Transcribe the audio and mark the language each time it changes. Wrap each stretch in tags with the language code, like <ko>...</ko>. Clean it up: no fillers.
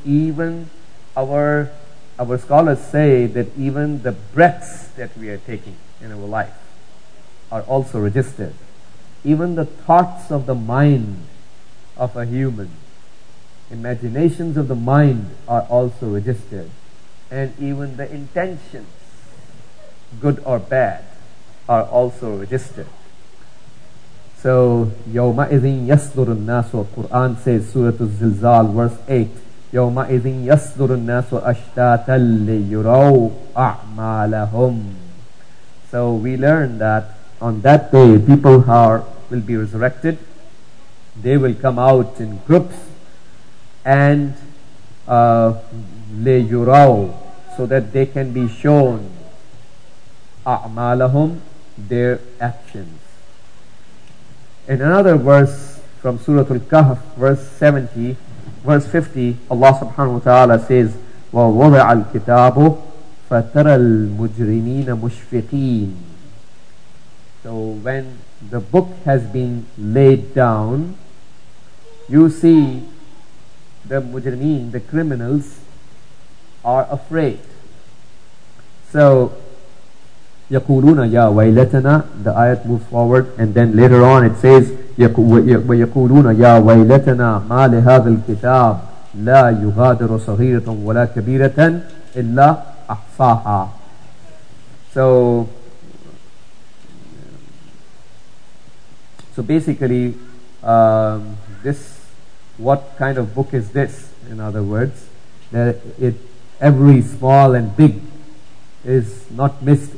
<en>Even our scholars say that even the breaths that we are taking in our life are also registered. Even the thoughts of the mind of a human, imaginations of the mind are also registered. And even the intentions, good or bad, are also registered.</en> <ar>So, يَوْمَ إِذِنْ يَسْلُرُ النَّاسُ</ar> <en>Quran says, Surah Al-Zilzal, verse 8,</en> <ar>يَوْمَ إِذِنْ يَسْلُرُ النَّاسُ أَشْتَاتًا لِيُرَوْا أَعْمَالَهُمْ.</ar> <en>So, we learn that on that day, people are will be resurrected. They will come out in groups and لَيُرَوْا, so that they can be shown أَعْمَالَهُمْ, their actions. In another verse from Surah Al-Kahf, verse 50, Allah subhanahu wa ta'ala says,</en> <ar>وَوَضَعَ الْكِتَابُ فَتَرَى الْمُجْرِمِينَ مُشْفِقِينَ.</ar> <en>So when the book has been laid down, you see the mujrimeen, the criminals, are afraid.</en> <ar>So, يَقُولُونَ يَا وَيْلَتَنَا,</ar> <en>the ayat moves forward, and then later on it says,</en> <ar>وَيَقُولُونَ يَا وَيْلَتَنَا مَا لِهَذَا الْكِتَابِ لَا يُغَادِرُ صَغِيرَةً وَلَا كَبِيرَةً إِلَّا أَحْصَاهَا.</ar> <en>So basically, this, what kind of book is this? In other words, that it, every small and big is not missed.</en>